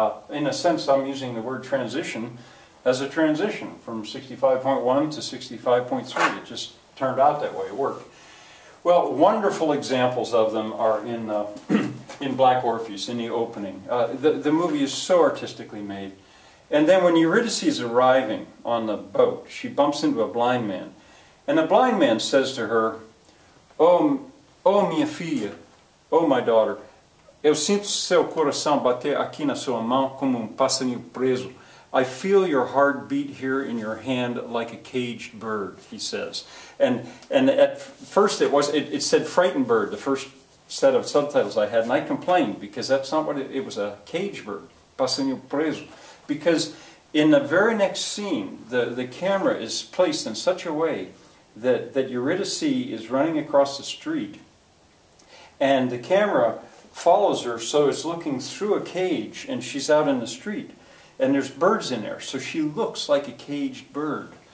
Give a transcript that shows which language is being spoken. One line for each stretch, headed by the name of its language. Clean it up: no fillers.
English: In a sense, I'm using the word transition as a transition from 65.1 to 65.3. It just turned out that way, it worked. Well, wonderful examples of them are in in Black Orpheus, in the opening. The movie is so artistically made. And then when Eurydice is arriving on the boat, she bumps into a blind man. And the blind man says to her, Oh,
Portuguese: minha filha,
English: oh, my daughter,
Portuguese: eu sinto seu coração bater aqui na sua mão como passarinho preso.
English: I feel your heart beat here in your hand like a caged bird, he says. And at first it said frightened bird, the first set of subtitles I had, and I complained because that's not what it was, a caged bird,
Portuguese: passarinho preso.
English: Because in the very next scene, the camera is placed in such a way that Eurydice is running across the street, and the camera follows her, so it's looking through a cage, and she's out in the street, and there's birds in there, so she looks like a caged bird.